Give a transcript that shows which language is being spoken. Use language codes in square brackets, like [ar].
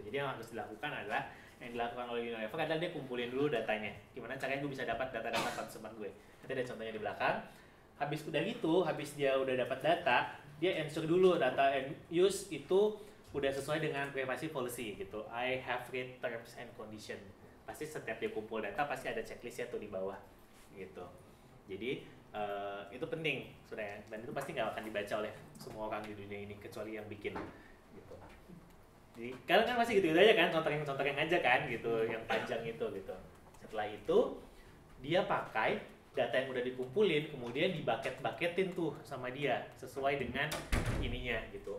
[id] Jadi yang harus dilakukan adalah, yang dilakukan oleh Unilever adalah dia kumpulin dulu datanya. Gimana caranya gue bisa dapat data-data customer gue. Nanti ada contohnya di belakang. Habis udah gitu, habis dia udah dapat data, dia ensure dulu data and use itu udah sesuai dengan privacy policy gitu. [en] I have read terms and condition. [id] Pasti setiap dia kumpul data, pasti ada checklistnya tuh di bawah gitu. Jadi itu penting sudah ya, dan itu pasti nggak akan dibaca oleh semua orang di dunia ini kecuali yang bikin gitu. Jadi kalian kan masih gitu aja kan, contoh yang aja kan gitu, yang panjang itu gitu. Setelah itu dia pakai data yang udah dikumpulin, kemudian dibaket-baketin tuh sama dia sesuai dengan ininya gitu.